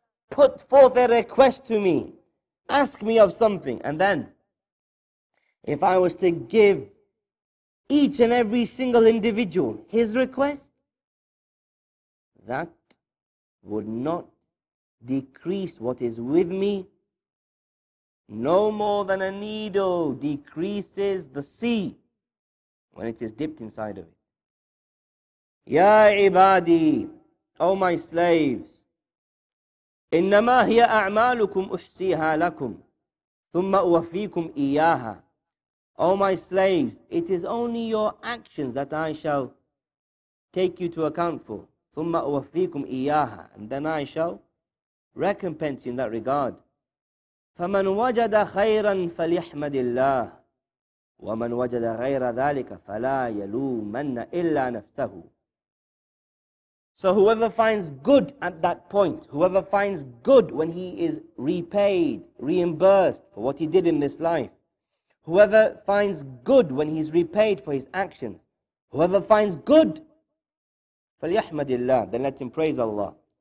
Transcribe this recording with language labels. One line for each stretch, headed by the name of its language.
English: put forth a request to me, ask me of something, and then if I was to give each and every single individual his request, that would not decrease what is with me no more than a needle decreases the sea when it is dipped inside of it.
Arabic: Ya ibadi,
English: O my slaves,
Arabic: إنما هي أعمالكم أحصيها لكم ثم أوفيكم إياها.
English: O my slaves, it is only your actions that I shall take you to account for.
Arabic: ثم أوفيكم إياها,
English: and then I shall recompense you in that regard.
Arabic: فمن وجد خيرا فليحمد الله ومن وجد غير ذلك فلا يلومن إلا نفسه.
English: So whoever finds good at that point, whoever finds good when he is repaid, reimbursed for what he did in this life, whoever finds good when he's repaid for his actions, whoever finds good,
Arabic: فَلْيَحْمَدِ اللَّهِ,
English: then let him praise Allah.